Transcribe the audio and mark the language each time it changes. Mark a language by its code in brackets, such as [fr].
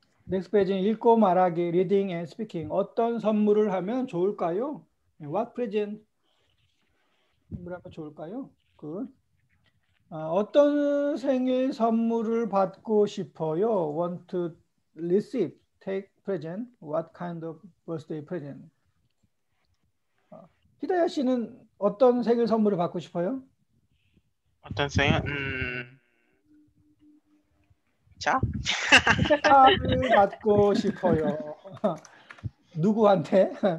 [en] Next page는 [ko] 읽고 말하기, [en] reading and speaking. [ko] 어떤 선물을 하면 좋을까요? [en] What present? [ko] 선물 하면 좋을까요? 그 아, 어떤 생일 선물을 받고 싶어요? [en] Want to receive, take present. What kind of birthday present? [ko] 희다야 씨는 어떤 생일 선물을 받고 싶어요? 어떤 생일? 차? 차를 받고 싶어요. 누구한테?